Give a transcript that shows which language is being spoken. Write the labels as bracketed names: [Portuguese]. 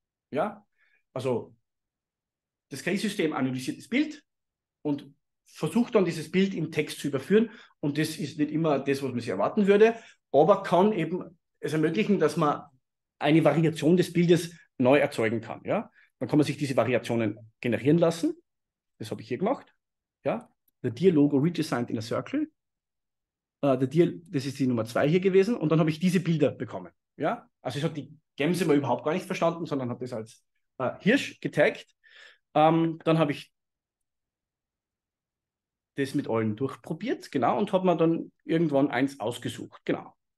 [German] Ja, also das KI-System analysiert das Bild und versucht dann, dieses Bild im Text zu überführen. Und das ist nicht immer das, was man sich erwarten würde, aber kann eben es ermöglichen, dass man eine Variation des Bildes neu erzeugen kann. Ja? Dann kann man sich diese Variationen generieren lassen. Das habe ich hier gemacht. Ja? [English] The Deer Logo redesigned in a circle. [German] Das ist die Nummer 2 hier gewesen. Und dann habe ich diese Bilder bekommen. Ja? Also ich habe die Gämse mal überhaupt gar nicht verstanden, sondern habe das als Hirsch getaggt. Dann habe ich das mit allen durchprobiert, genau, und hat mir dann irgendwann eins ausgesucht, genau.